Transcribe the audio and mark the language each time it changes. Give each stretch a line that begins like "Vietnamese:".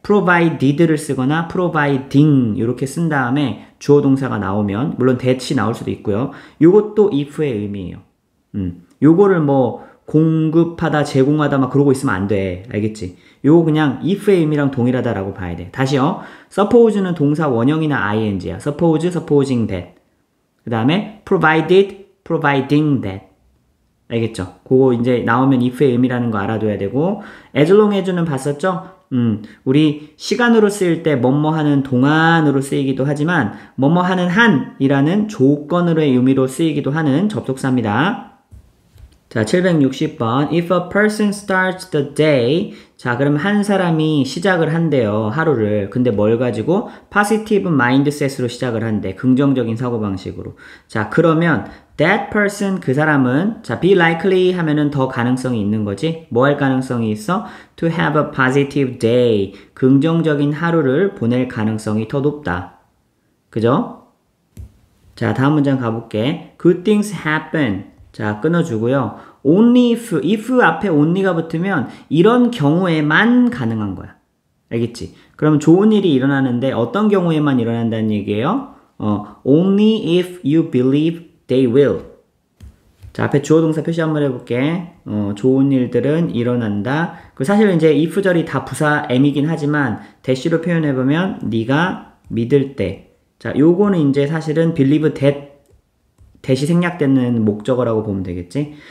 Korean: provided를 쓰거나 providing 이렇게 쓴 다음에 주어 동사가 나오면 물론 that이 나올 수도 있고요. 요것도 if의 의미예요. 요거를 뭐 공급하다 제공하다 막 그러고 있으면 안 돼. 알겠지? 요거 그냥 if의 의미랑 동일하다라고 봐야 돼. 다시요. suppose는 동사 원형이나 ing야.
English: suppose, supposing that.
Korean: 그 다음에
English: provided, providing that.
Korean: 알겠죠? 그거 이제 나오면 if의 의미라는 거 알아둬야 되고. as long as는 봤었죠? 우리 시간으로 쓰일 때 뭐뭐 하는 동안으로 쓰이기도 하지만 뭐뭐 하는 한이라는 조건으로의 의미로 쓰이기도 하는 접속사입니다. 자, 760번.
English: If a person starts the day.
Korean: 자, 그럼 한 사람이 시작을 한대요. 하루를. 근데 뭘 가지고? positive mindset으로 시작을 한대. 긍정적인 사고방식으로. 자, 그러면
English: that person,
Korean: 그 사람은, 자, be likely 하면은 더 가능성이 있는 거지. 뭐할 가능성이 있어?
English: to have a positive day.
Korean: 긍정적인 하루를 보낼 가능성이 더 높다. 그죠? 자, 다음 문장 가볼게.
English: good things happen.
Korean: 자, 끊어주고요. Only if 앞에 only가 붙으면 이런 경우에만 가능한 거야. 알겠지? 그러면 좋은 일이 일어나는데 어떤 경우에만 일어난다는 얘기예요?
English: Only if you believe they will.
Korean: 자, 앞에 주어 동사 표시 한번 해볼게. 좋은 일들은 일어난다. 그 사실 이제 if절이 다 부사 m이긴 하지만 대시로 표현해보면 네가 믿을 때. 자, 요거는 이제 사실은 believe that 대시 생략되는 목적어라고 보면 되겠지.